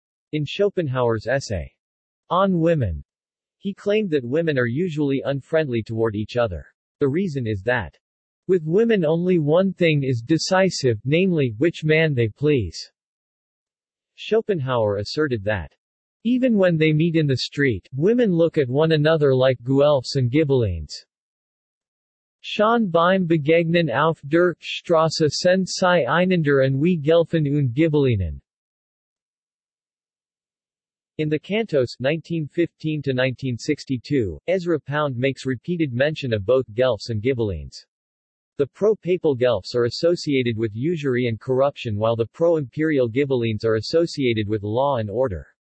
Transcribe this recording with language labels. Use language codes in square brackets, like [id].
[en] In Schopenhauer's essay, On Women, he claimed that women are usually unfriendly toward each other. The reason is that with women only one thing is decisive, namely, which man they please. Schopenhauer asserted that even when they meet in the street, women look at one another like Guelphs and Ghibellines. [de] Schon beim Begegnen auf der Straße sind sie einander und wie Guelphen und Ghibellinen. [en] In the Cantos 1915-1962, Ezra Pound makes repeated mention of both Guelphs and Ghibellines. The pro-papal Guelphs are associated with usury and corruption while the pro-imperial Ghibellines are associated with law and order.